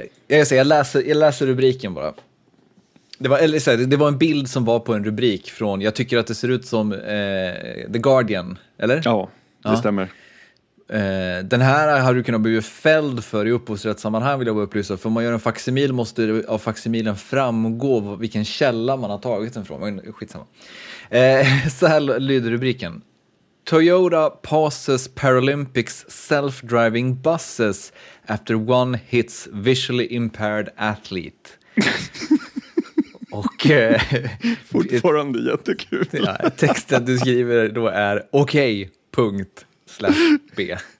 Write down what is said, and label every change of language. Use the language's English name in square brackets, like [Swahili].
[Swedish] jag läser rubriken bara. Det var en bild som var på en rubrik från, jag tycker att det ser ut som The Guardian, eller? Ja, det stämmer. Den här hade du kunnat bli fälld för i upphovsrättssammanhang, vill jag bara upplysa. För om man gör en faksimil måste av faksimilen framgå vilken källa man har tagit den från. Skitsamma. Så här lyder rubriken. [English] Toyota passes Paralympics self-driving buses after one hits visually impaired athlete. [Swedish] Och fortfarande jättekul. Ja, texten du skriver då är okej, punkt, slash B.